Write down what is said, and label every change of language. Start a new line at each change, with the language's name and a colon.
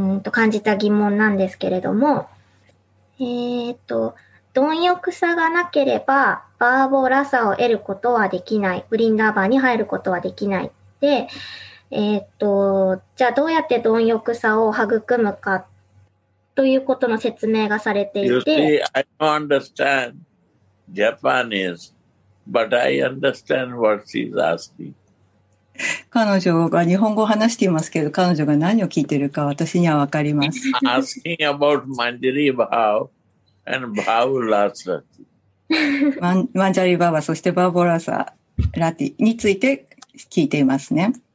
Japanese: 感じた疑問なんですけれども、貪欲さがなければ、バーボラサを得ることはできない。ブリンダーバーに入ることはできない。で、じゃあどうやって貪欲さを育むかということの説明がされていて。
English: You see, I don't understand Japanese, but I understand what she's asking.
Japanese: 彼女が日本語を話していますけど、彼女が何を聞いているか私には分かります。
English: Asking about Manjari Bhava and Bhava Rasa.
Japanese: マンジャリバーバー、そしてバーボラサラティについて聞いていますね。